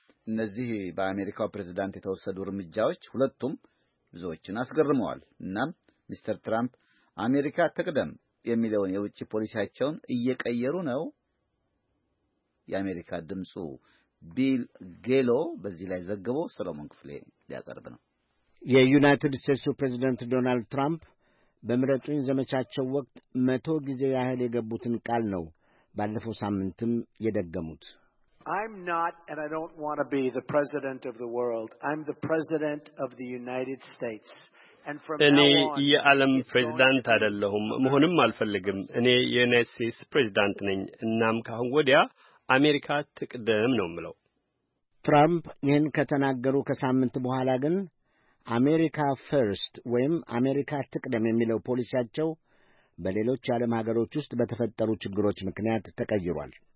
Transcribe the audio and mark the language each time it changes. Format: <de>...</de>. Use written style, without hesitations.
<am>እነዚህ በአሜሪካው ፕሬዝዳንት የተወሰዱ እርምጃዎች ሁለቱም ብዙዎችን አስገርመዋል። እናም ሚስተር ትራምፕ አሜሪካ ትቅደም የሚለውን የውጭ ፖሊሲያቸውን እየቀየሩ ነው። የአሜሪካ ድምፁ ቢል ጌሎ በዚህ ላይ ዘግቦ ሰሎሞን ክፍሌ ሊያቀርብ ነው። የዩናይትድ ስቴትሱ ፕሬዚደንት ዶናልድ ትራምፕ በምረጡኝ ዘመቻቸው ወቅት 100 ጊዜ ያህል የገቡትን ቃል ነው ባለፈው ሳምንትም የደገሙት።</am> <en>I'm not and I don't want to be the president of the world. I'm the president of the United States.</en> <am>እኔ የዓለም ፕሬዝዳንት አይደለሁም፣ መሆንም አልፈልግም። እኔ የዩናይትድ ስቴትስ ፕሬዝዳንት ነኝ። እናም ካሁን ወዲያ አሜሪካ ትቅደም ነው የምለው። ትራምፕ ይህን ከተናገሩ ከሳምንት በኋላ ግን አሜሪካ ፈርስት ወይም አሜሪካ ትቅደም የሚለው ፖሊሲያቸው በሌሎች የዓለም ሀገሮች ውስጥ በተፈጠሩ ችግሮች ምክንያት ተቀይሯል።</am>